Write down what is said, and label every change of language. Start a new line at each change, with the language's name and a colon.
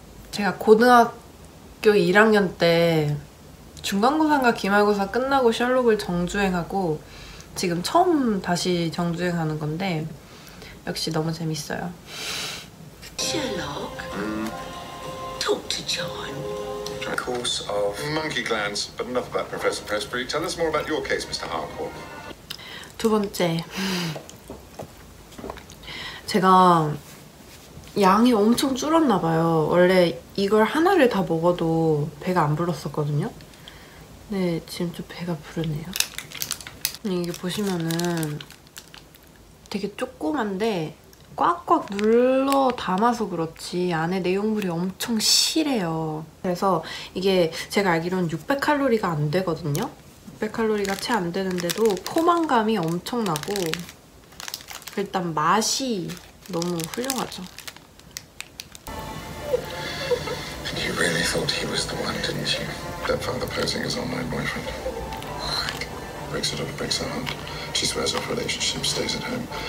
Korean: 제가 고등학교 1학년 때 중간고사인가 기말고사 끝나고 셜록을 정주행하고 지금 처음 다시 정주행하는 건데 역시 너무 재밌어요.
English: 셜록. Talk to John. A course of monkey glands, but enough about Professor Presbury. Tell us more about your case, Mr.
Korean: Harcourt. 두 번째. 제가 양이 엄청 줄었나 봐요. 원래 이걸 하나를 다 먹어도 배가 안 불렀었거든요. 네, 지금 좀 배가 부르네요. 이게 보시면은 되게 조그만데 꽉꽉 눌러 담아서 그렇지 안에 내용물이 엄청 실해요. 그래서 이게 제가 알기로는 600칼로리가 안 되거든요. 600칼로리가 채 안 되는데도 포만감이 엄청나고 일단 맛이 너무 훌륭하죠.
English: And you really thought he was the one, didn't you? That father posing as online boyfriend. What? Breaks it up, breaks her heart. She swears off relationship, stays at home.